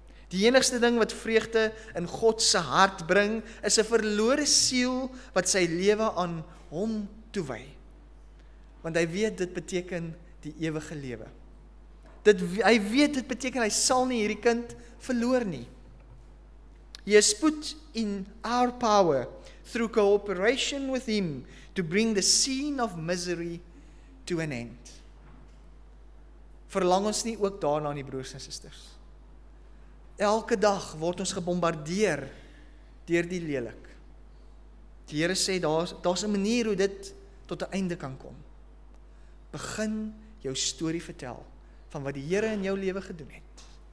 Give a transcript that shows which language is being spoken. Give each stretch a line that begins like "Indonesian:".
Afrikaans: Die enigste ding wat vreugde in Godse hart bring, is 'n verlore siel wat sy lewe aan hom toewy. Want hy weet dit beteken die ewige lewe. Dit, hy weet, dit beteken, hy sal nie hierdie kind verloor nie.
English: He is put in our power through cooperation with him to bring the scene of misery to an end.
Afrikaans: Verlang ons nie ook daarna aan die broers en sisters. Elke dag word ons gebombardeer deur die lelik. Die Here sê, daar's 'n manier hoe dit tot 'n einde kan kom. Begin jou story vertel van wat die Here in jou lewe gedoen het.